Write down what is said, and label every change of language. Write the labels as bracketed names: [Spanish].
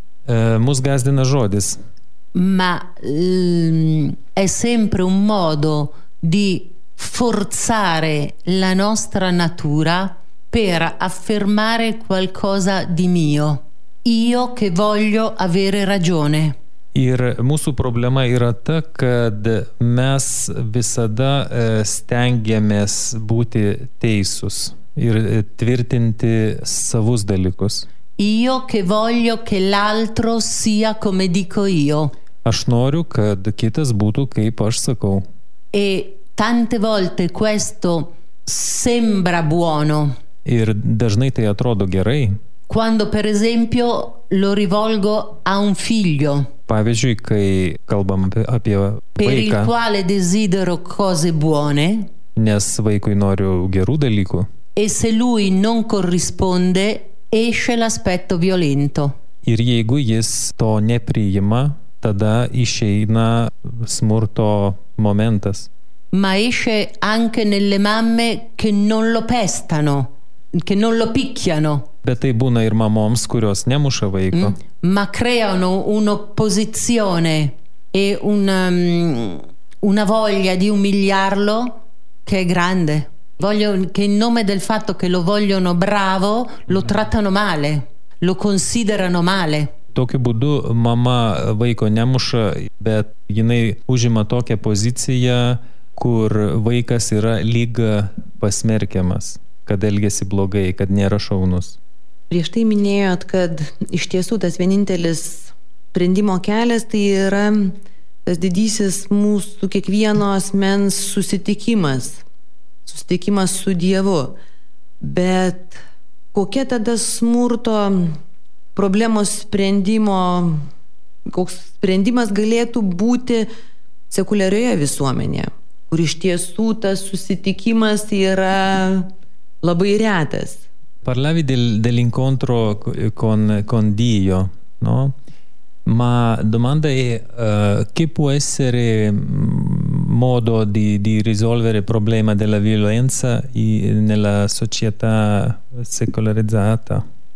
[Lithuanian] Musgazdena jodis. [Italian] Ma è sempre un modo di forzare la nostra natura per affermare qualcosa di mio. Io che voglio avere ragione. [Lithuanian] Ir mūsų problema yra ta, kad mes visada stengiamės būti teisus ir tvirtinti savus dalykus. [Italian] Io che voglio che l'altro sia come dico io. [Lithuanian] Aš noriu, kad kitas būtų kaip aš sakau. [Italian] E tante volte questo sembra buono. [Lithuanian] Ir dažnai tai atrodo gerai. [Italian] Quando per esempio lo rivolgo a un figlio. [Lithuanian] Pavyzdžiui, kai kalbam apie [Italian] per [Lithuanian] vaiką, [Italian] il quale desidero cose buone. [Lithuanian] Nes vaikui noriu gerų dalykų. [Italian] E se lui non corrisponde, esce l'aspetto violento. [Lithuanian] Ir jeigu jis to nepriima, tada išeina smurto momentas. [Italian] Ma esce anche nelle mamme che non lo pestano, che non lo picchiano. [Lithuanian] Bet tai būna ir mamoms, kurios nemuša vaiko. [Italian] Ma creano un'opposizione e una voglia di umiliarlo che è grande. Voglio che in nome del fatto che lo vogliono bravo, lo trattano male, lo considerano male. [Lithuanian] Tokiu būdu mama vaiko nemuša, bet jinai užima tokią poziciją, kur vaikas yra lyg pasmerkiamas, kad elgiasi blogai, kad nėra šaunus. Prieš tai minėjot, kad iš tiesų tas vienintelis sprendimo kelias tai yra tas didysis mūsų kiekvieno asmens susitikimas su Dievu. Bet kokia tada smurto problemos sprendimo, koks sprendimas galėtų būti sekuliarioje visuomenėje, kur iš tiesų tas susitikimas yra labai retas. [Italian] Parlavi dell'incontro con Dio, no? Ma domanda è che può essere modo di risolvere il problema della violenza nella società secolarizzata?